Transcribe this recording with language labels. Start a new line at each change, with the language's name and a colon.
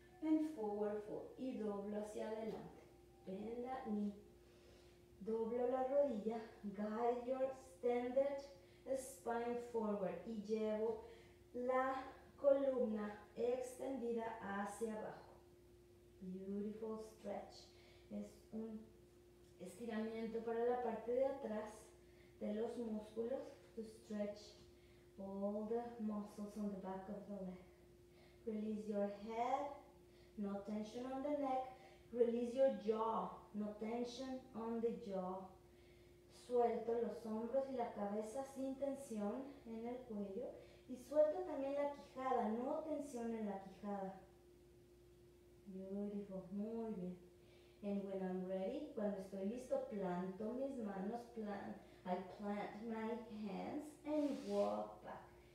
English: And forward fold.
Spanish: Y doblo hacia adelante.
English: Bend that knee,
Spanish: doblo la rodilla,
English: guide your standard spine forward
Spanish: y llevo la columna extendida hacia abajo.
English: Beautiful stretch.
Spanish: Es un estiramiento para la parte de atrás de los músculos.
English: To stretch all the muscles on the back of the leg. Release your head, no tension on the neck. Release your jaw, no tension on the jaw.
Spanish: Suelto los hombros y la cabeza sin tensión en el cuello. Y suelto también la quijada, no tensión en la quijada.
English: Beautiful,
Spanish: muy bien.
English: And when I'm ready,
Spanish: cuando estoy listo, planto mis manos,
English: I plant my hands and walk back.